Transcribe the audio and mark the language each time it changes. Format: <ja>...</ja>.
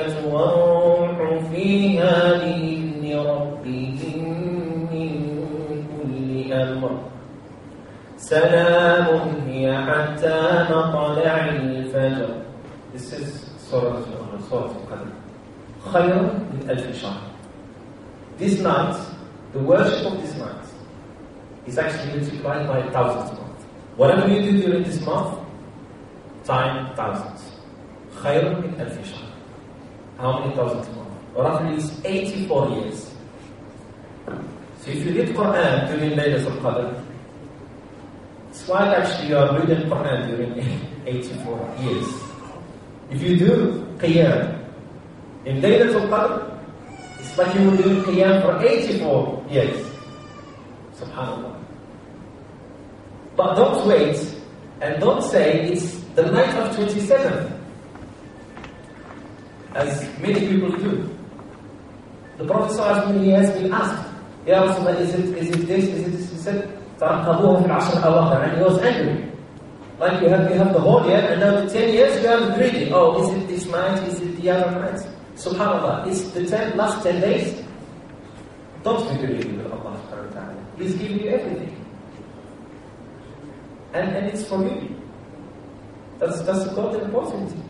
<ar>والروح فيها بإذن ربهم من كل أمر سلام هي حتى مطلع الفجر.</ar> <en>This is سورة القدر.</en> <ar>خير من ألف شهر.</ar> <en>This night, the worship of this night is actually multiplied by 1,000 months. Whatever you do during this month, time thousands.</en> <ar>خير من ألف شهر.</ar> <en>How many thousands more? Roughly it's 84 years. So if you read Quran during Laylatul Qadr, it's like actually you are reading Quran during 84 years. If you do Qiyam in Laylatul Qadr, it's like you were doing Qiyam for 84 years. SubhanAllah. But don't wait and don't say it's the night of 27th, as many people do. The Prophet sallallahu alaihi wasallam, he has been asked, Ya Rasulullah, is it this? He said,</en> <ar>تَرَقَبُوهُ فِي الْعَشْرَ الْأَوَاخِرَ.</ar> <en>And he was angry. Like you have the whole year, and now the 10 years you have greedy. Oh, is it this night? Is it the other night? SubhanAllah, it's the last 10 days. Don't be greedy with Allah. He's given you everything. And it's for you. That's God's importance.</en>